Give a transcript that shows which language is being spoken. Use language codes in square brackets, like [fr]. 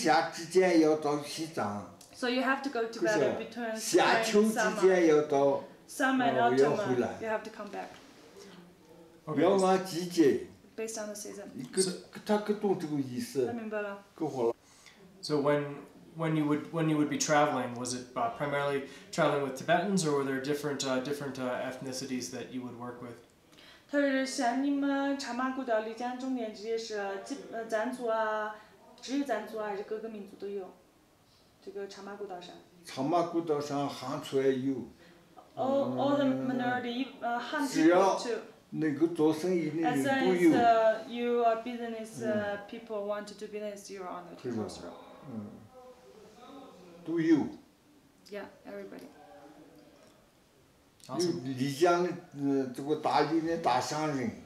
[zh] 就是，这个春天到春夏之间要到西藏。 [en] So you have to go to Tibet between spring and summer. Summer and autumn, you have to come back. Okay. Based on the season. So when you would be traveling, was it primarily traveling with Tibetans, or were there different ethnicities that you would work with? [zh] 他是像你们茶马古道丽江终点这些是藏族啊，只有藏族啊，还是各个民族都有。这个茶马古道上。茶马古道上汉族也有。 [en] All the minority, [zh] 汉族也有。能够做生意的人都有。 [en] As long as you are business people want to do business, you are on the cross road. [zh] 都有。 [en] Yeah, everybody. [zh] 因为丽江这个大理的大商人。